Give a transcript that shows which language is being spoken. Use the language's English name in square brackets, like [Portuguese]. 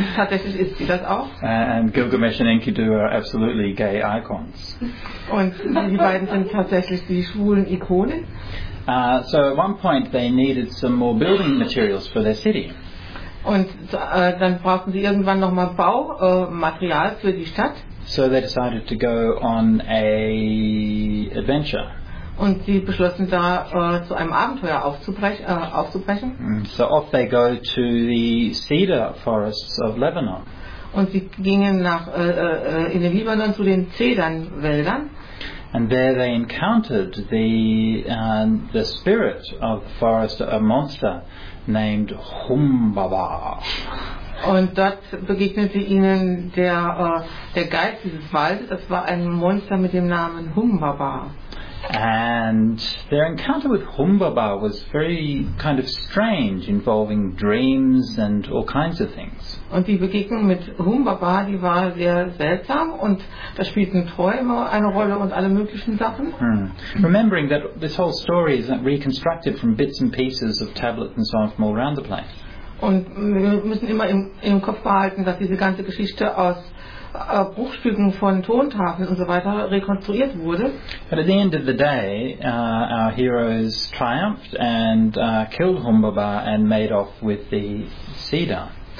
[English] And Gilgamesh and Enkidu are absolutely gay icons. So at one point they needed some more building materials for their city. [German] Und dann brauchten sie irgendwann nochmal Baumaterial für die Stadt. [English] So they decided to go on a adventure. [German] Und sie beschlossen da zu einem Abenteuer aufzubrechen. [English] So off they go to the cedar forests of Lebanon. [German] Und sie gingen nach in den Libanon zu den Zedernwäldern. [English] And there they encountered the spirit of the forest, a monster named Humbaba. [German] Und dort begegnete ihnen der Geist dieses Waldes. Das war ein Monster mit dem Namen Humbaba. [English] And their encounter with Humbaba was very kind of strange, involving dreams and all kinds of things. [German] Und die Begegnung mit Humbaba, die war sehr seltsam, und da spielten Träume eine Rolle und alle möglichen Sachen. [English] Remembering that this whole story is reconstructed from bits and pieces of tablets and so on from all around the place. [German] Und wir müssen immer im Kopf behalten, dass diese ganze Geschichte aus Bruchstücken von Tontafeln und so weiter rekonstruiert wurde. [English] But at the end of the day, our heroes triumphed and killed Humbaba and made off with the cedar.